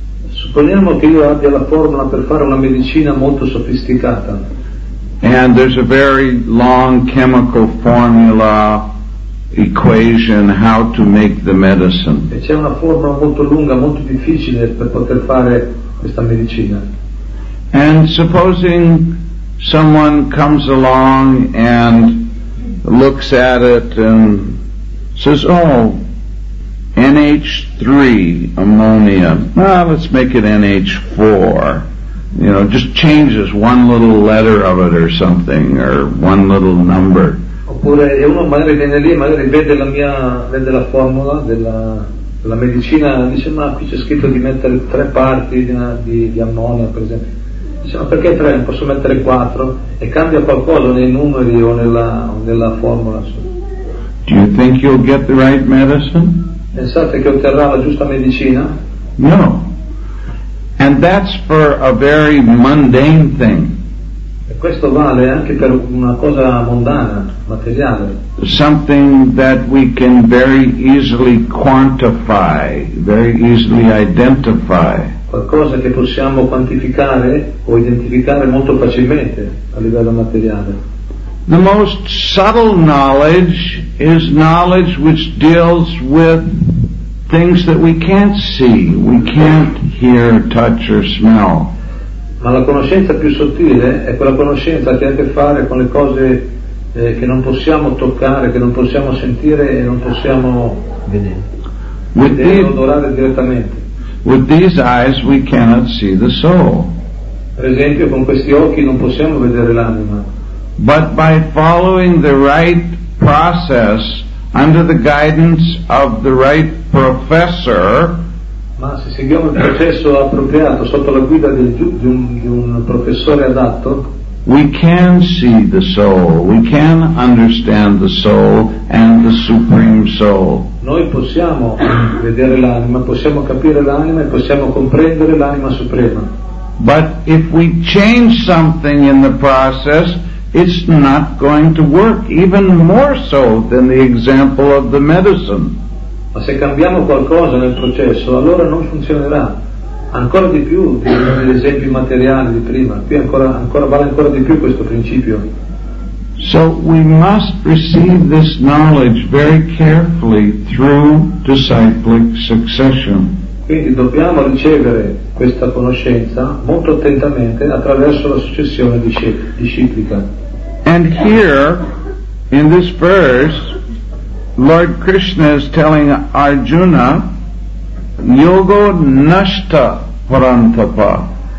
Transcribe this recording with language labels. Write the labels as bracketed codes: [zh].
[it] Supponiamo che io abbia la formula per fare una medicina molto sofisticata. [en] And there's a very long chemical formula equation how to make the medicine. [it] E c'è una formula molto lunga, molto difficile per poter fare questa medicina. [en] And supposing someone comes along and looks at it and says, oh, NH3 ammonia. Well, let's make it NH4. You know, just changes one little letter of it or something, or one little number. [it] Oppure uno magari viene lì, magari vede la formula della medicina, dice ma qui c'è scritto di mettere tre parti di ammonia, per esempio. Dice ma perché tre? Posso mettere quattro? E cambia qualcosa nei numeri o nella formula. [en] Do you think you'll get the right medicine? [it] Pensate che otterrà la giusta medicina? [en] No. And that's for a very mundane thing. [it] E questo vale anche per una cosa mondana, materiale. [en] Something that we can very easily quantify, very easily identify. [it] Qualcosa che possiamo quantificare o identificare molto facilmente a livello materiale. [en] The most subtle knowledge is knowledge which deals with things that we can't see, we can't hear, touch or smell. [it] Ma la conoscenza più sottile è quella conoscenza che ha a che fare con le cose che non possiamo toccare, che non possiamo sentire e non possiamo vedere, odorare direttamente. [en] With these eyes we cannot see the soul. [it] Per esempio, con questi occhi non possiamo vedere l'anima. [en] But by following the right process under the guidance of the right professor, [it] ma se seguiamo il processo appropriato sotto la guida di un professore adatto, [en] we can see the soul, we can understand the soul and the supreme soul. [it] Noi possiamo vedere l'anima, possiamo capire l'anima e possiamo comprendere l'anima suprema. [en] But if we change something in the process, it's not going to work, even more so than the example of the medicine. [it] Ma se cambiamo qualcosa nel processo, allora non funzionerà. Ancora di più degli esempi materiali di prima. Qui ancora vale ancora di più questo principio. [en] So we must receive this knowledge very carefully through disciplic succession. [it] Quindi dobbiamo ricevere questa conoscenza molto attentamente attraverso la successione disciplica. [en] And here, in this verse, Lord Krishna is telling Arjuna, [sa] yoga nashta parantapa.